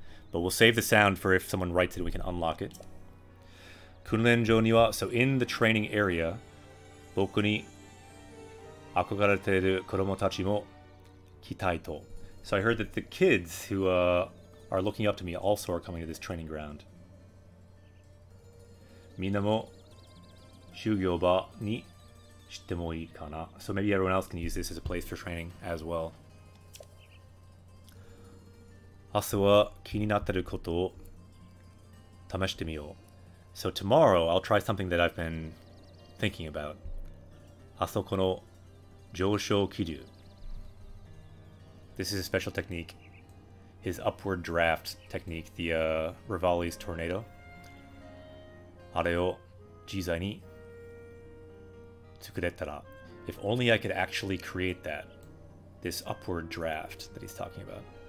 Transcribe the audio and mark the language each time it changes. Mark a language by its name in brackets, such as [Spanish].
[English] But we'll save the sound for if someone writes it, we can unlock it. [Japanese] 訓練場には、 [English] so in the training area, [Japanese] 僕に憧れている子供たちも来たいと。 [English] So I heard that the kids who are looking up to me also are coming to this training ground. [Japanese] みんなも修行場にしてもいいかな。 [English] So maybe everyone else can use this as a place for training as well. [Japanese] 明日は気になっていることを試してみよう。 [English] So tomorrow I'll try something that I've been thinking about. [Japanese] あそこの上昇気流。 [English] This is a special technique. His upward draft technique, the Revali's tornado. [Japanese] あれを自在に作れたら。 [English] If only I could actually create that, this upward draft that he's talking about.